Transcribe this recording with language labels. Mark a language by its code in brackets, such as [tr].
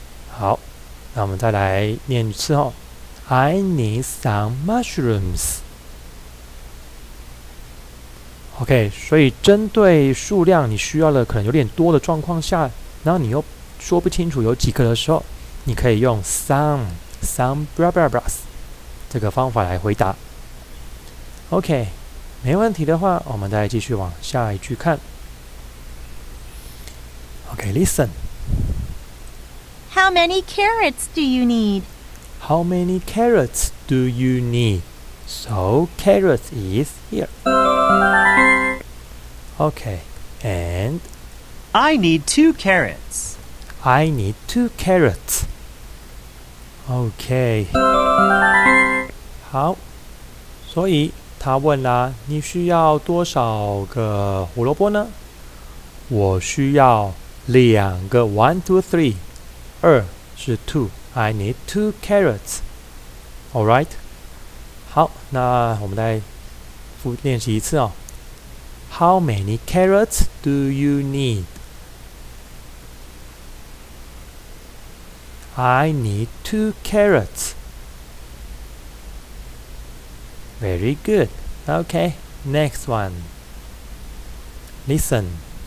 [zh] 好，那我们再来念一次哦。 [en] I need some mushroomsOK, [zh] 所以针对数量你需要的可能有点多的状况下，然后你又说不清楚有几个的时候，你可以用 some blah blah blah 这个方法来回答。 OK, 没问题的话，我们再继续往下一句看。 [en] OK, listen. How many carrots do you need? How many carrots do you need? So, carrots is here. Okay, and I need two carrots. I need two carrots. Okay. [zh] 好，所以他问啦，你需要多少个胡萝卜呢？我需要两个 1, 2, 3. 二是 [en] two. I need two carrots. All right. [zh] 好，那我们再练习一次哦。 [en] How many carrots do you need? I need two carrots. Very good. Okay, next one. Listen.